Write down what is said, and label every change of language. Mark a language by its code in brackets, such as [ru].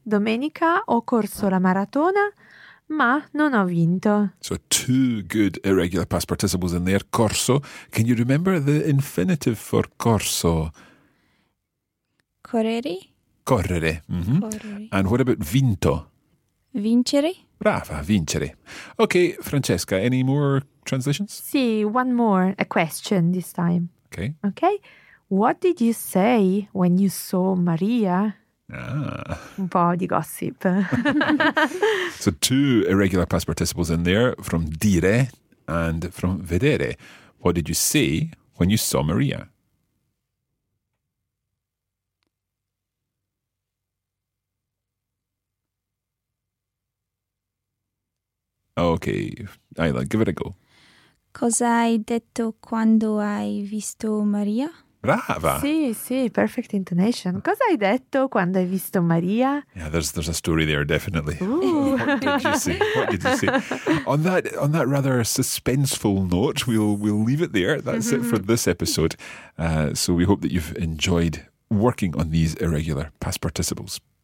[it] Domenica ho corso la maratona, ma non ho vinto. [en] So two good irregular past participles in there. Corso. Can you remember the infinitive for corso? [it] Correre. Correre. Mm-hmm. Correre. [en] And what about vinto? [it] Vincere. Brava, vincere. [en] Okay, Francesca, any more translations? Sì, one more. A question this time. Okay. Okay. What did you say when you saw Maria? Ah. [it] Un po' di gossip. [en] So two irregular past participles in there, from dire and from vedere. What did you say when you saw Maria? Okay, Ayla, give it a go. [it] Cosa hai detto quando hai visto Maria? Brava! Sì, sì, [en] perfect intonation. [it] Cosa hai detto quando hai visto Maria? [en] Yeah, there's a story there, definitely. Ooh. What did you say? What did you say? On that rather suspenseful note, we'll leave it there. That's it for this episode. So we hope that you've enjoyed working on these irregular past participles.